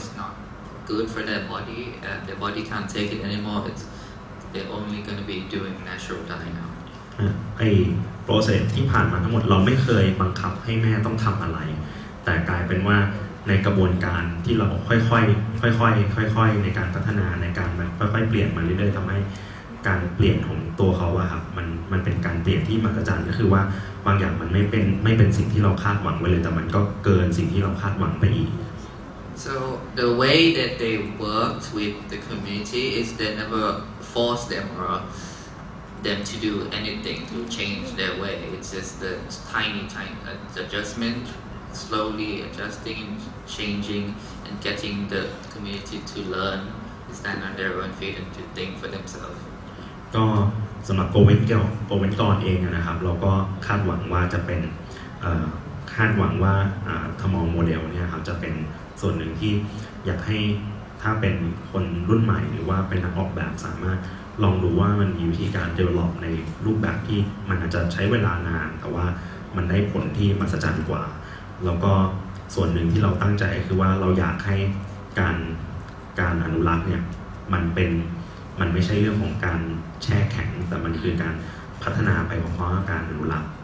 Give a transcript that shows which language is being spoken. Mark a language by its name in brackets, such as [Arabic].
[English] It's not good for their body. Their body can't take it anymore. They're only going to be doing natural dye now. [Thai] ไอ้ process ที่ผ่านมาทั้งหมดเราไม่เคยบังคับให้แม่ต้องทำอะไรแต่กลายเป็นว่าในกระบวนการที่เราค่อยในการพัฒนาในการแบบค่อยๆเปลี่ยนมาเรื่อยๆทำให้การเปลี่ยนของตัวเขาอะครับมันเป็นการเปลี่ยนที่มหัศจรรย์ก็คือว่าบางอย่างมันไม่เป็นสิ่งที่เราคาดหวังไว้เลยแต่มันก็เกินสิ่งที่เราคาดหวังไปอีก [English] So the way that they worked with the community is they never force them or them to do anything to change their way. It's just the tiny adjustment, slowly adjusting, changing, and getting the community to learn, stand on their own feet, and to think for themselves [Thai] ก็สำหรับโกเวนกอนเองนะครับเราก็คาดหวังว่าจะเป็นคาดหวังว่าทมองโมเดลเนี่ยครับจะเป็นส่วนหนึ่งที่อยากให้ ถ้าเป็นคนรุ่นใหม่หรือว่าเป็นนักออกแบบสามารถลองดูว่ามันมีวิธีการ develop ในรูปแบบที่มันอาจจะใช้เวลานานแต่ว่ามันได้ผลที่มหัศจรรย์กว่าแล้วก็ส่วนหนึ่งที่เราตั้งใจคือว่าเราอยากให้การอนุรักษ์เนี่ยมันไม่ใช่เรื่องของการแช่แข็งแต่มันคือการพัฒนาไปพร้อมๆกับการอนุรักษ